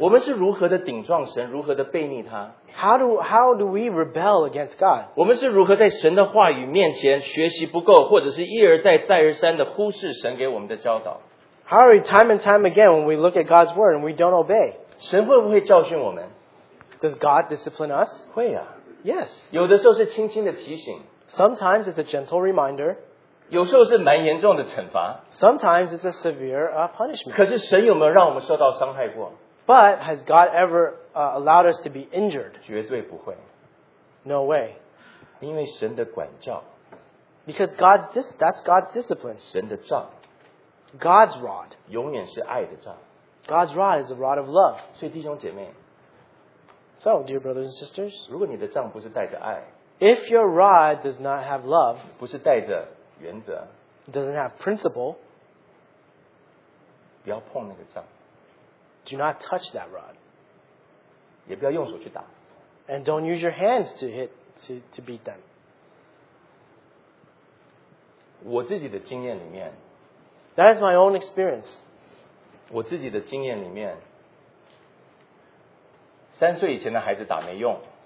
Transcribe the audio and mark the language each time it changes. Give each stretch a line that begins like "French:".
Chinese: 我们是如何的顶撞神，如何的背逆他？
English: How do we rebel against God?
Chinese: 我们是如何在神的话语面前学习不够，或者是一而再再而三的忽视神给我们的教导？
English: How are we time and time again when we look at God's word and we don't obey?
Chinese: 神会不会教训我们？
English: Does God discipline us?
Chinese: 会啊。
English: Yes.
Chinese: 有的时候是轻轻的提醒。
English: Sometimes it's a gentle reminder.
Chinese: 有时候是蛮严重的惩罚。
English: Sometimes it's a severe punishment.
Chinese: 可是神有没有让我们受到伤害过？
English: But has God ever allowed us to be injured?
Chinese: 绝对不会。
English: No way.
Chinese: 因为神的管教。
English: Because that's God's discipline.
Chinese: 神的杖。
English: God's rod.
Chinese: 永远是爱的杖。
English: God's rod is a rod of love.
Chinese: 所以弟兄姐妹。
English: So, dear brothers and sisters.
Chinese: 如果你的杖不是带着爱。
English: If your rod does not have love.
Chinese: 不是带着。原则
English: doesn't have principle.
Chinese: 不要碰那个杖。
English: Do not touch that rod.
Chinese: 也不要用手去打。
English: And don't use your hands to hit to beat them.
Chinese: 我自己的经验里面。
English: That is my own experience.
Chinese: 我自己的经验里面。三岁以前的孩子打没用。